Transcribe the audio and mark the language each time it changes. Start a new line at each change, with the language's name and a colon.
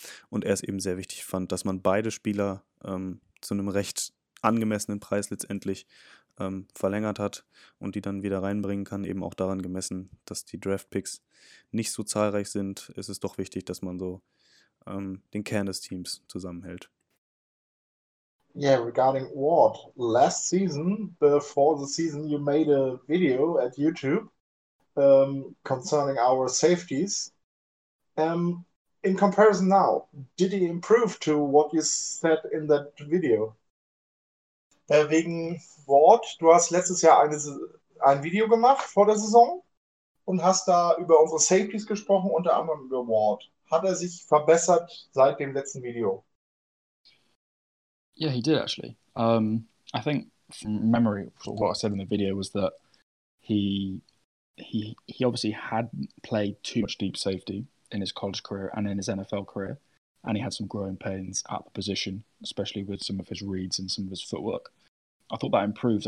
German: Und er es eben sehr wichtig fand, dass man beide Spieler zu einem recht angemessenen Preis letztendlich verlängert hat und die dann wieder reinbringen kann, eben auch daran gemessen, dass die Draftpicks nicht so zahlreich sind, ist es doch wichtig, dass man so den Kern des Teams zusammenhält.
English: Yeah, regarding Ward, last season, before the season, you made a video at YouTube concerning our safeties. In comparison now, did he improve to what you said in that video?
German: Wegen Ward, du hast letztes Jahr ein Video gemacht vor der Saison und hast da über unsere Safeties gesprochen, unter anderem über Ward. Hat er sich verbessert seit dem letzten Video?
English: Yeah, he did actually. I think from memory, what I said in the video was that he obviously had played too much deep safety in his college career and in his NFL career, and he had some growing pains at the position, especially with some of his reads and some of his footwork. I thought that improved.